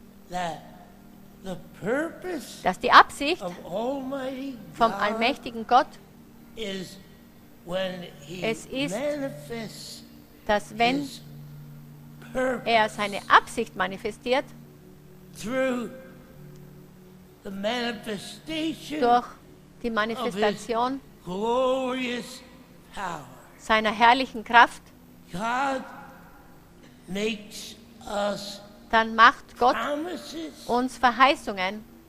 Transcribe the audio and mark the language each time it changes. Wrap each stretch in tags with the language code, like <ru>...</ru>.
<en>that the purpose</en> <de>dass die Absicht</de> <en>of Almighty</en> <de>vom allmächtigen Gott</de> <en>is when he</en> <de>es ist,</de> <en>manifests</en> <de>dass wenn</de> <en>his purpose</en> <de>er seine Absicht manifestiert,</de> <en>through the manifestation</en> <de>durch die Manifestation</de> <en>of his glorious</en> <de>seiner herrlichen Kraft,</de> <en>God makes us</en> <de>dann macht Gott uns Verheißungen</de>